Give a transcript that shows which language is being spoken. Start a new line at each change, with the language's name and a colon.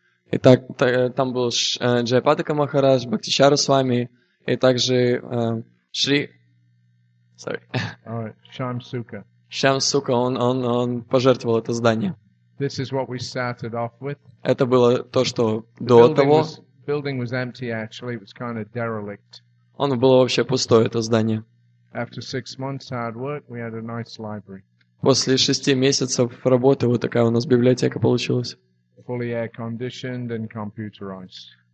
Russian: Итак, там был Джайпатака Махарадж, Бхактичару с вами, и также Шри...
English: Sorry. All right, Shyam Sukha.
Russian: Shyam Sukha, он пожертвовал это здание.
English: This is what we started off with.
Russian: Это было то, что до того.
English: Building was empty, actually. It was kind of derelict.
Russian: Оно было вообще пустое, это здание.
English: After 6 months hard work, we had a nice library.
Russian: После 6 месяцев работы вот такая у нас библиотека получилась.
English: Fully air-conditioned and computerized.